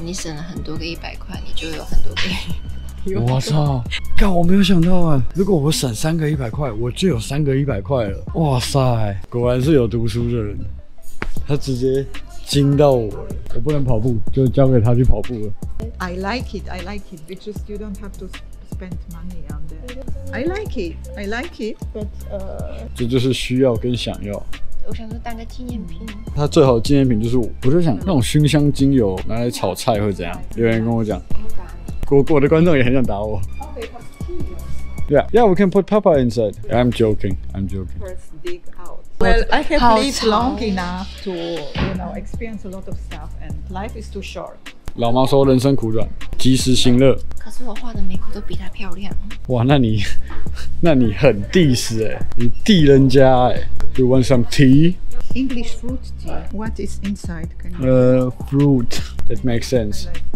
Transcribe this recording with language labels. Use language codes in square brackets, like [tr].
[zh] 你省了很多个100块，你就有很多个。我操！干，我没有想到啊！如果我省3个100块，我就有3个100块了。哇塞，果然是有读书的人，他直接惊到我了。我不能跑步，就交给他去跑步了。 [en] I like it, I like it, because you don't have to spend money on that. I like it, I like it, but [zh] 这就是需要跟想要。我想说当个纪念品，他最好的纪念品就是我就想那种熏香精油拿来炒菜会怎样？有人跟我讲。我的观众也很想打我。 [en] Yeah, yeah, we can put Papa inside. I'm joking, I'm joking. Well, I have lived long enough to, you know, experience a lot of stuff, and life is too short. [zh] 老妈说人生苦短，及时行乐。可是我画的眉骨都比她漂亮。哇，那你很 diss 哎，你 diss 人家哎。 [en] You want some tea? English fruit tea. What is inside? Fruit. That makes sense.